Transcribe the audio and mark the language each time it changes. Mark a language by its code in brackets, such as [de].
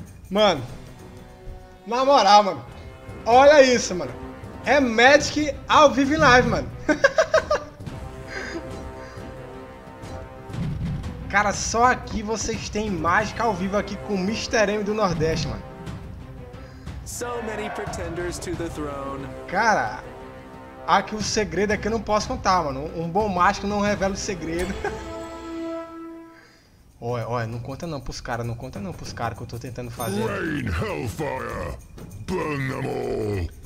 [pt] Mano, na moral, mano. Olha isso, mano. É Magic ao vivo e live, mano. Cara, só aqui vocês têm mágica ao vivo aqui com o Mr. M do Nordeste, mano. [en] So many pretenders to the throne. [pt] Cara, aqui o segredo é que eu não posso contar, mano. Um bom mágico não revela o segredo. Olha, olha, não conta não pros caras, não conta não pros caras que eu tô tentando fazer. [en] Rain, Hellfire, burn them all.